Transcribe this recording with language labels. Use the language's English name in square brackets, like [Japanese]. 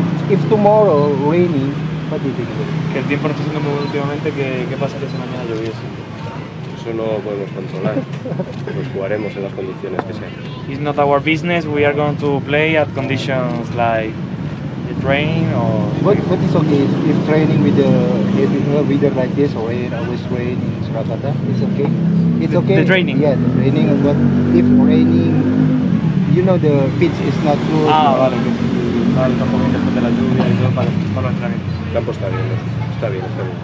[English] If tomorrow raining, what do you think about it? [Spanish] Que el tiempo no está siendo muy bueno últimamente, ¿qué pasaría si mañana lloviese? Eso no podemos controlar, pues jugaremos en las condiciones que sean. [English] It's not our business, we are going to play at conditions like the rain or... What is okay if training with the weather like this or rain, always rain in Surakarta? It's okay? It's the, okay? The training? Yeah, the training, but if raining, you know the pitch is not good. [Spanish] Ah, vale, vale, tampoco después de la lluvia y todo para los entrenamientos. El campo está bien, está bien, está bien.